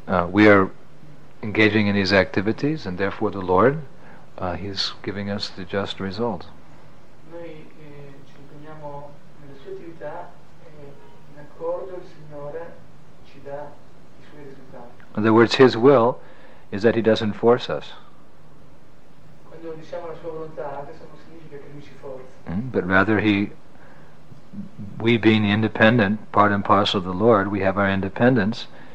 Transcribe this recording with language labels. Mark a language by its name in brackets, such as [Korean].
[English] We are engaging in these activities, and therefore the Lord, He's giving us the just result. [Italian] Noi ci impegniamo nelle sue attività e in accordo il Signore ci dà i suoi risultati. [English] In other words, His will is that He doesn't force us. [Italian] Quando diciamo la sua volontà, questo non significa che lui ci forza. [English] But rather He. We being independent, part and parcel of the Lord, we have our independence.